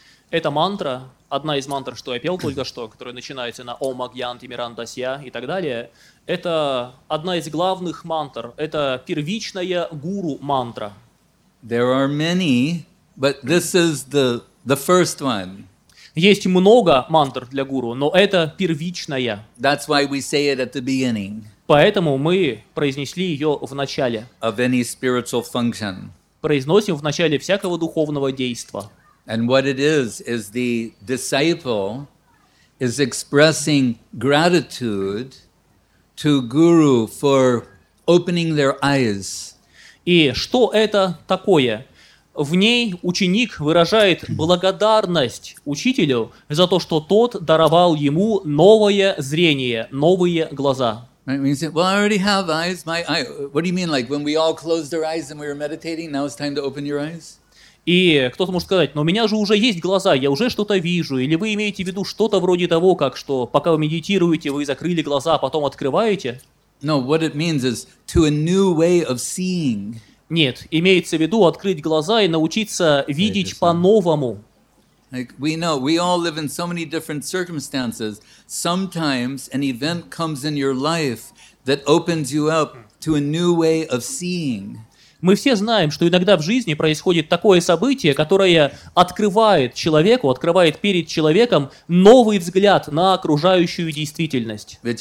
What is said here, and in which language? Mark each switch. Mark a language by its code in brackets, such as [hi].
[ru] Эта мантра, одна из мантр, что я пел только что, которая начинается на Ом Агьян Тимирандасья и так далее, это одна из главных мантр, это первичная гуру мантра. [en] There are many, but this is the first one. [ru] Есть много мантр для гуру, но это первичная. [en] That's why we say it at the beginning. [ru] Поэтому мы произнесли ее в начале. [en] Of any spiritual function. [ru] Произносим в начале всякого духовного действа. [en] And what it is the disciple is expressing gratitude to guru for opening their eyes. [ru] И что это такое? В ней ученик выражает благодарность учителю за то, что тот даровал ему новое зрение, новые глаза. [en] Right, when you say, well, I already have eyes. My eye. What do you mean? Like when we all closed our eyes and we were meditating. Now it's time to open your eyes. [ru] И кто-то может сказать, но у меня же уже есть глаза, я уже что-то вижу. Или вы имеете в виду что-то вроде того, как что, пока вы медитируете, вы закрыли глаза, а потом открываете? [en] No, what it means is to a new way of seeing. [ru] Нет, имеется в виду открыть глаза и научиться видеть по-новому. [en] Like we know, we all live in so many different circumstances. Sometimes an event comes in your life that opens you up to a new way of seeing. [ru] Мы все знаем, что иногда в жизни происходит такое событие, которое открывает человеку, открывает перед человеком новый взгляд на окружающую действительность.